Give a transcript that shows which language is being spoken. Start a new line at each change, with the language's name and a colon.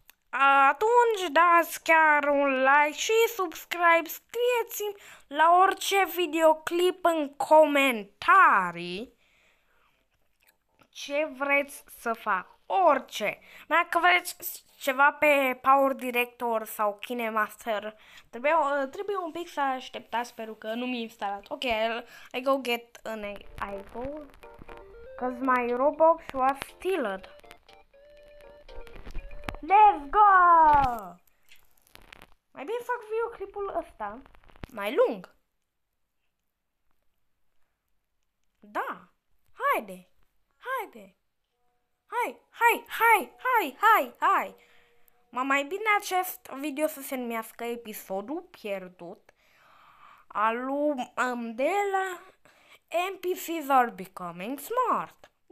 Romanian: atunci dați chiar un like și subscribe, scrieți-mi la orice videoclip în comentarii ce vreți să fac, orice. Dacă vreți ceva pe Power Director sau KineMaster, trebuie un pic să așteptați, sper că nu mi-e instalat.
English: Ok, I go get an iPhone, cause my Robux was stealed. Let's go!
Romanian: Mai bine fac videoclipul ăsta. Mai lung. Da. Haide. Haide. Hai. Ma mai bine acest video să se numească episodul pierdut al lui Mandela.
English: NPCs are becoming smart.